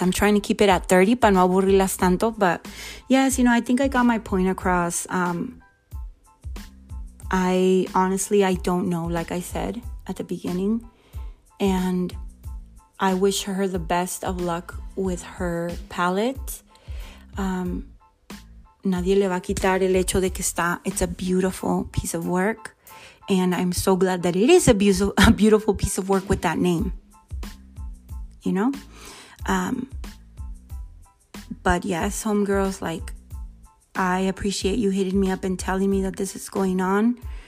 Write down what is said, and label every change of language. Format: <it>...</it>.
<en>I'm trying to keep it at 30,</en> <es>para no aburrirlas tanto,</es> <en>but yes, you know, I think I got my point across. I don't know, like I said at the beginning, and I wish her the best of luck with her palette.</en> <es>Nadie le va a quitar el hecho de que está.</es> <en>It's a beautiful piece of work. And I'm so glad that it is a beautiful piece of work with that name. You know? But yes, homegirls, like, I appreciate you hitting me up and telling me that this is going on.</en>